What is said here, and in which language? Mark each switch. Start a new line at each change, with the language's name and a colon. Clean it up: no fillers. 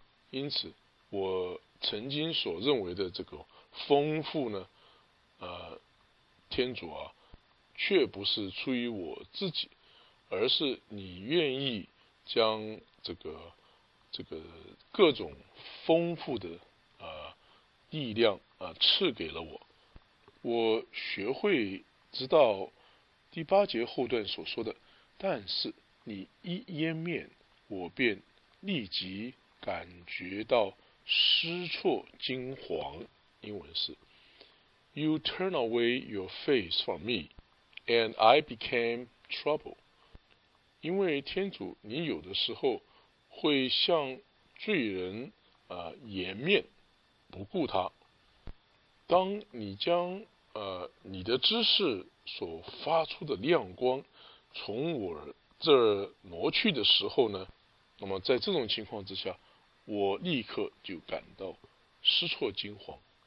Chinese: 因此我曾经所认为的这个丰富呢，天主啊，却不是出于我自己，而是你愿意将这个各种丰富的力量赐给了我。我学会知道第八节后段所说的，但是你一掩面，我便立即感觉到失措惊惶。英文是
English: You turn away your face from me and I became troubled。
Chinese: 因为天主，你有的时候会向罪人掩面不顾他。当你将你的知识所发出的亮光从我这儿挪去的时候呢，那么在这种情况之下，我立刻就感到失措惊慌。